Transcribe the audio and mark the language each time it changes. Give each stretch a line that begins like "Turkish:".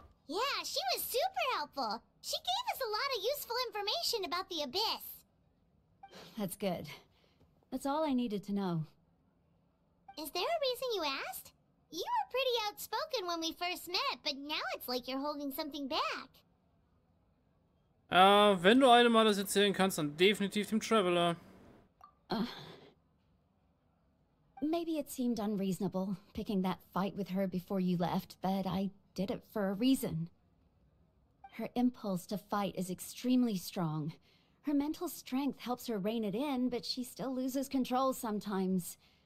English: Yeah, she was super helpful. She gave us a lot of useful information about the Abyss. That's good. That's all I needed to know. Is there a reason you asked? You were pretty outspoken when we first met, but now it's like you're holding something back.
German: Wenn du einem alles erzählen kannst, dann definitiv dem Traveler.
English: Maybe it seemed unreasonable, picking that fight with her before you left, but I did it for a reason. Her impulse to fight is extremely strong. Her mental strength helps her rein it in, but she still loses control sometimes.